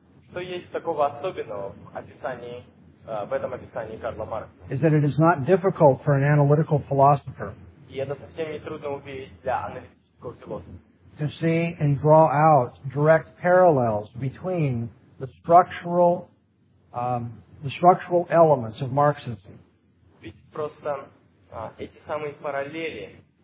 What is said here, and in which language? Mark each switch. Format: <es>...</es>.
<ru>Что есть такого особенного в этом описании Карла Маркса?</ru> <en>Is that it is not difficult for an analytical philosopher?</en> <ru>И это совсем не трудно увидеть для аналитического философа.</ru> <en>To see and draw out direct parallels between the structural elements of Marxism.</en> <ru>Ведь просто эти самые параллели.</ru>